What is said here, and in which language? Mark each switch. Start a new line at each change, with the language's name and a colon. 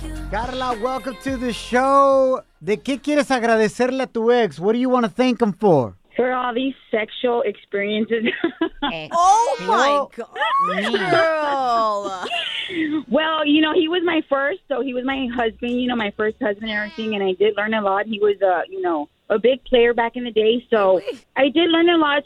English: Carla, welcome to the show.
Spanish: ¿De qué quieres agradecerle a tu ex?
English: What do you want to thank him for? For all these sexual experiences. Oh my god, girl. Well, you know, he was my first, so he was my husband, you know, my first husband and everything, and I did learn a lot. He was, you know, a big player back in the day, so I did learn a lot.